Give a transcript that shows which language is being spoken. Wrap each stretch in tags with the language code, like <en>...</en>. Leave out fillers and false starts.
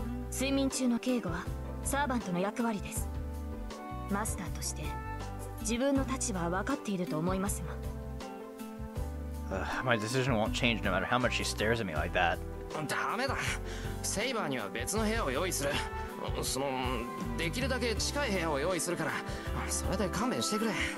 <ja>睡眠中の警護はサーバントの役割です.マスターとして自分の立場は分かっていると思いますが.</ja> <en>My decision won't change no matter how much she stares at me like that.</en> <ja>ダメだ! セイバーには別の部屋を用意する.その、できるだけ近い部屋を用意するから それで勘弁してくれ.</ja>